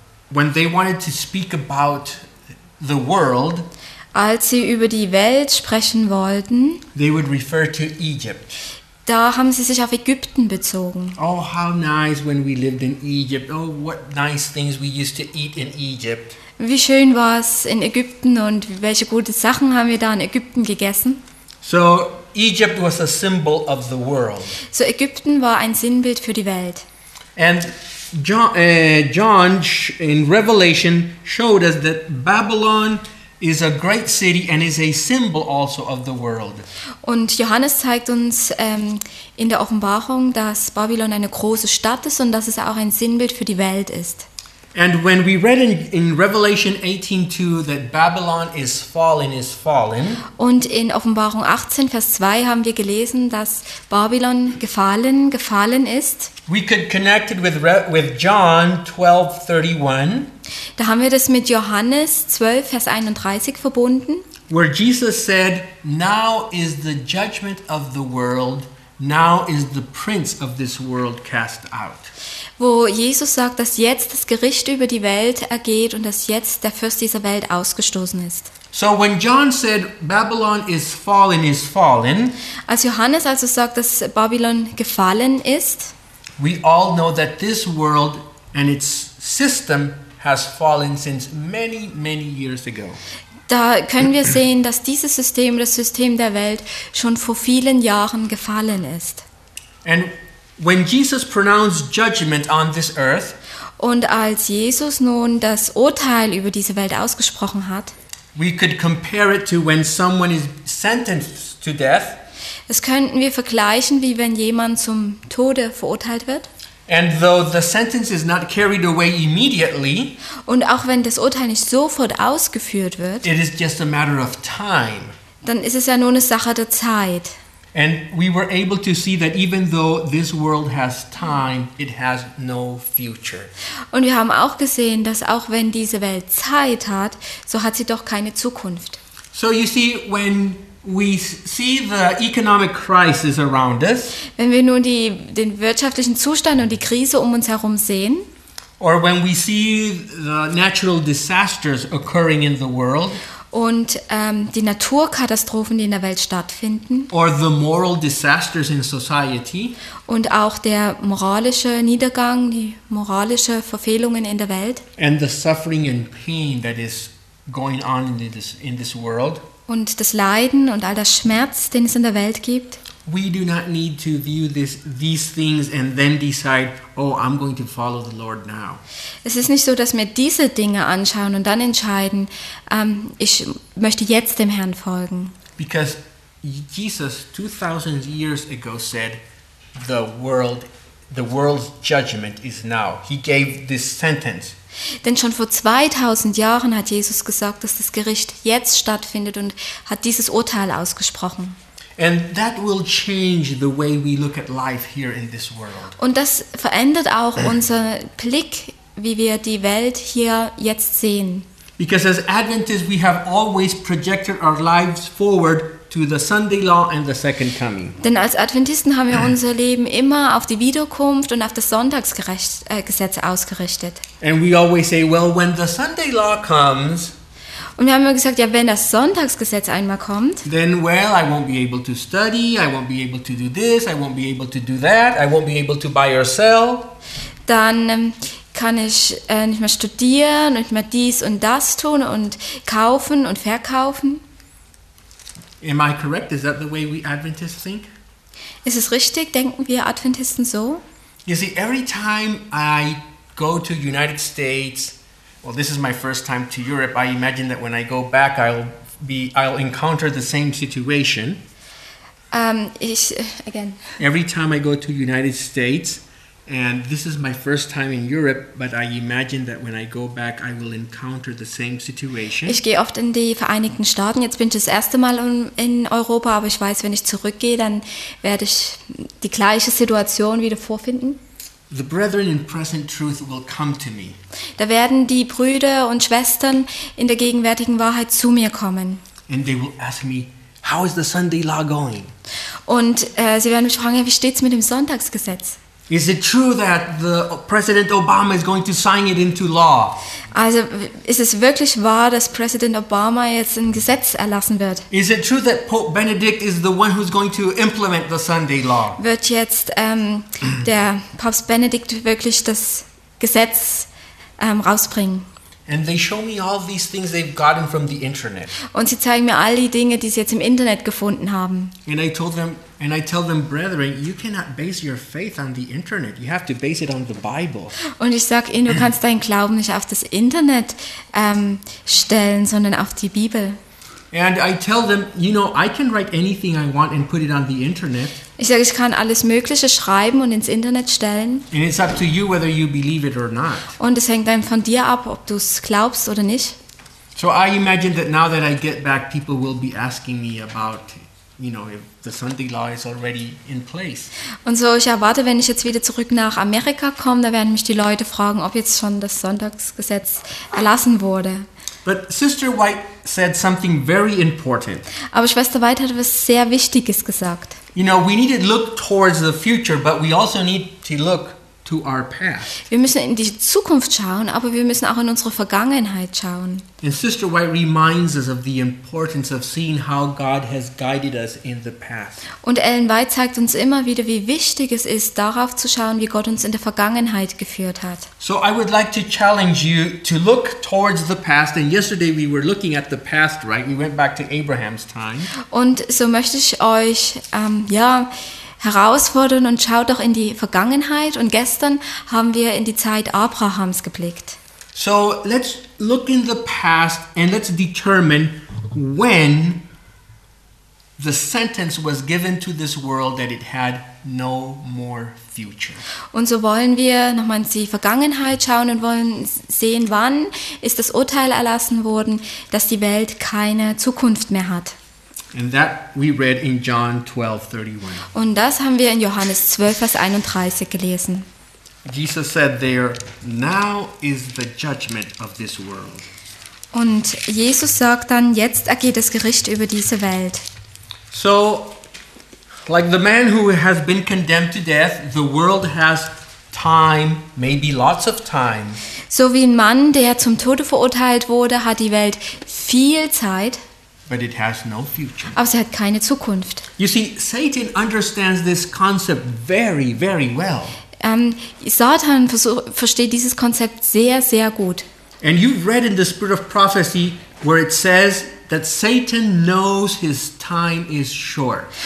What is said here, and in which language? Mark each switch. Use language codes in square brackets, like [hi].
[en] when they wanted to speak about the world, [de] als sie über die Welt sprechen wollten, [en] they would refer to Egypt. [de] Da haben sie sich auf Ägypten bezogen. [en] Oh, how nice when we lived in Egypt. Oh, what nice things we used to eat in Egypt. [de] Wie schön war es in Ägypten und welche gute Sachen haben wir da in Ägypten gegessen? [en] So Egypt was a symbol of the world. [de] So Ägypten war ein Sinnbild für die Welt. [en] And John in Revelation showed us that Babylon is a great city and is a symbol also of the world. [de] Und Johannes zeigt uns in der Offenbarung, dass Babylon eine große Stadt ist und dass es auch ein Sinnbild für die Welt ist. [en] And when we read in Revelation 18:2 that Babylon is fallen. [de] Und in Offenbarung 18 Vers 2 haben wir gelesen, dass Babylon gefallen ist. [en] We could connect it with John 12:31. [de] Da haben wir das mit Johannes 12 Vers 31 verbunden. [en] Where Jesus said, "Now is the judgment of the world. Now is the prince of this world cast out." [de] Wo Jesus sagt, dass jetzt das Gericht über die Welt ergeht und dass jetzt der Fürst dieser Welt ausgestoßen ist. [en] So when John said Babylon is fallen, [de] als Johannes also sagt, dass Babylon gefallen ist, [en] we all know that this world and its system has fallen since many, many years ago. [de] Da können wir sehen, dass dieses System, das System der Welt, schon vor vielen Jahren gefallen ist. [en] And when Jesus pronounced judgment on this earth, [de] und als Jesus nun das Urteil über diese Welt ausgesprochen hat, [en] we could compare it to when someone is sentenced to death. [de] Das könnten wir vergleichen, wie wenn jemand zum Tode verurteilt wird. [en] And though the sentence is not carried away immediately, [de] und auch wenn das Urteil nicht sofort ausgeführt wird, [en] it is just a matter of time. [de] Dann ist es ja nur eine Sache der Zeit. [en] And we were able to see that even though this world has time, it has no future. [de] Und wir haben auch gesehen, dass auch wenn diese Welt Zeit hat, so hat sie doch keine Zukunft. [en] So you see, when we see the economic crisis around us, [de] wenn wir nun den wirtschaftlichen Zustand und die Krise um uns herum sehen, [en] or when we see the natural disasters occurring in the world, [de] und die Naturkatastrophen, die in der Welt stattfinden, [en] or the moral disasters in society, [de] und auch der moralische Niedergang, die moralische Verfehlungen in der Welt, [en] and the suffering and pain that is going on in this world, [de] und das Leiden und all das Schmerz, den es in der Welt gibt. [en] We do not need to view this, these things and then decide, oh, I'm going to follow the Lord now. [de] Es ist nicht so, dass wir diese Dinge anschauen und dann entscheiden, ich möchte jetzt dem Herrn folgen. [en] Because Jesus 2000 years ago said, the world's judgment is now. He gave this sentence. [de] Denn schon vor 2000 Jahren hat Jesus gesagt, dass das Gericht jetzt stattfindet und hat dieses Urteil ausgesprochen. [en] And that will change the way we look at life here in this world. [de] Und das verändert auch unser Blick, wie wir die Welt hier jetzt sehen. [en] Because as Adventists, we have always projected our lives forward to the Sunday law and the second coming. [de] Denn als Adventisten haben wir unser Leben immer auf die Wiederkunft und auf das Sonntagsgesetz ausgerichtet. [en] And we always say, well, when the Sunday law comes, [de] und wir haben immer gesagt, ja, wenn das Sonntagsgesetz einmal kommt, [en] then well, I won't be able to study, I won't be able to do this, I won't be able to do that, I won't be able to buy or sell. [de] Dann kann ich nicht mehr studieren und nicht mehr dies und das tun und kaufen und verkaufen. [en] Am I correct? Is that the way we Adventists think? [de] Ist es richtig? Denken wir Adventisten so? [en] You see, every time I go to United States, well, this is my first time to Europe. I imagine that when I go back, I'll encounter the same situation. Again. Every time I go to United States, and this is my first time in Europe, but I imagine that when I go back, I will encounter the same situation. [de] Ich gehe oft in die Vereinigten Staaten. Jetzt bin ich das erste Mal in Europa, aber ich weiß, wenn ich zurückgehe, dann werde ich die gleiche Situation wieder vorfinden. [en] The brethren in present truth will come to me. [de] Da werden die Brüder und Schwestern in der gegenwärtigen Wahrheit zu mir kommen. [en] And they will ask me, how is the Sunday law going? [de] Und sie werden mich fragen, wie steht's mit dem Sonntagsgesetz? [en] Is it true that the President Obama is going to sign it into law? [de] Also, ist es wirklich wahr, dass Präsident Obama jetzt ein Gesetz erlassen wird? [en] Is it true that Pope Benedict is the one who's going to implement the Sunday law? [de] Wird jetzt der Papst Benedikt wirklich das Gesetz rausbringen? [en] And they show me all these things they've gotten from the internet. [de] Und sie zeigen mir all die Dinge, die sie jetzt im Internet gefunden haben. [en] And I told them, and I tell them, brethren, you cannot base your faith on the internet. You have to base it on the Bible. [de] Und ich sag ihnen, du kannst deinen Glauben nicht auf das Internet stellen, sondern auf die Bibel. [en] And I tell them, you know, I can write anything I want and put it on the internet. [de] Ich sage, ich kann alles Mögliche schreiben und ins Internet stellen. [en] And it's up to you whether you believe it or not. [de] Und es hängt dann von dir ab, ob du es glaubst oder nicht. [en] So I imagine that now that I get back, people will be asking me about, you know, if the Sunday law is already in place. [de] Und so ich erwarte, wenn ich jetzt wieder zurück nach Amerika komme, da werden mich die Leute fragen, ob jetzt schon das Sonntagsgesetz erlassen wurde. [en] But Sister White said something very important. [de] Aber Schwester White hat etwas sehr Wichtiges gesagt. [en] You know, we need to look towards the future, but we also need to look to our past. [de] Wir müssen in die Zukunft schauen, aber wir müssen auch in unsere Vergangenheit schauen. [en] And Sister White reminds us of the importance of seeing how God has guided us in the past. [de] Und Ellen White zeigt uns immer wieder, wie wichtig es ist, darauf zu schauen, wie Gott uns in der Vergangenheit geführt hat. [en] So I would like to challenge you to look towards the past. And yesterday we were looking at the past, right? We went back to Abraham's time. [de] Und so möchte ich euch herausfordern und schaut doch in die Vergangenheit. Und gestern haben wir in die Zeit Abrahams geblickt. [en] So let's look in the past and let's determine when the sentence was given to this world that it had no more future. [de] Und so wollen wir nochmal in die Vergangenheit schauen und wollen sehen, wann ist das Urteil erlassen worden, dass die Welt keine Zukunft mehr hat. [en] And that we read in John 12:31. [de] Und das haben wir in Johannes 12, Vers 31 gelesen. [en] Jesus said there, now is the judgment of this world. [de] Und Jesus sagt dann, jetzt ergeht das Gericht über diese Welt. [en] So, like the man who has been condemned to death, the world has time, maybe lots of time. [de] So wie ein Mann, der zum Tode verurteilt wurde, hat die Welt viel Zeit. [en] But it has no future. [de] Aber sie hat keine Zukunft. [en] You see, Satan understands this concept very, very well. [de] Satan versteht dieses Konzept sehr, sehr gut. [en] And you've read in the Spirit of Prophecy where it says that Satan knows his time is short.